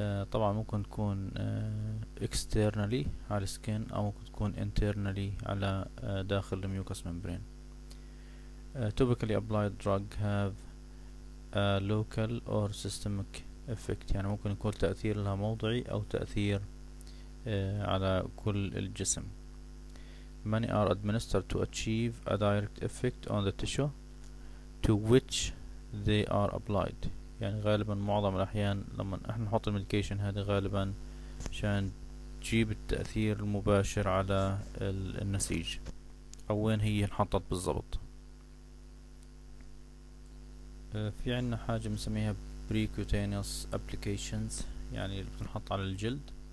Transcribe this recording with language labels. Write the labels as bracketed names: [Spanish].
[Arabic] طبعا ممكن تكون اكسترنالي على السكين او ممكن تكون انترنالي على داخل الميوكس ممبرين. [English] topically applied drug have local or systemic effect, [Arabic] يعني ممكن يكون تأثيرها موضعي او تأثير على كل الجسم. [English] Many are administered to achieve a direct effect on the tissue to which they are applied. [Arabic] يعني غالباً معظم الأحيان لما إحنا نحط الميديكيشن هذه غالباً عشان تجيب التأثير المباشر على النسيج أو وين هي انحطت بالضبط. في عنا حاجة بنسميها precutaneous applications، يعني اللي بتنحط على الجلد.